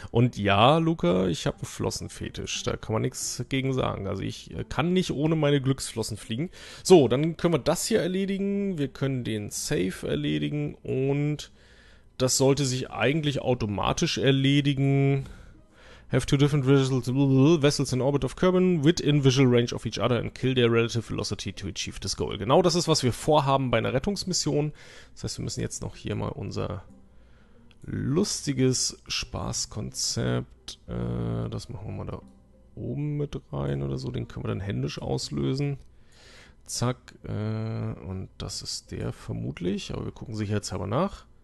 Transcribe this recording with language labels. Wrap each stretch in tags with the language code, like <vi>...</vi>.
<de>Und ja, Luca, ich habe einen Flossenfetisch. Da kann man nichts gegen sagen. Also ich kann nicht ohne meine Glücksflossen fliegen. So, dann können wir das hier erledigen. Wir können den Safe erledigen. Und das sollte sich eigentlich automatisch erledigen.</de> <en>Have two different vessels in orbit of Kerbin within visual range of each other and kill their relative velocity to achieve this goal.</en> <de>Genau das ist, was wir vorhaben bei einer Rettungsmission. Das heißt, wir müssen jetzt noch hier mal unser lustiges Spaßkonzept, das machen wir mal da oben mit rein oder so, den können wir dann händisch auslösen. Zack, und das ist der vermutlich, aber wir gucken sicherheitshalber nach.</de>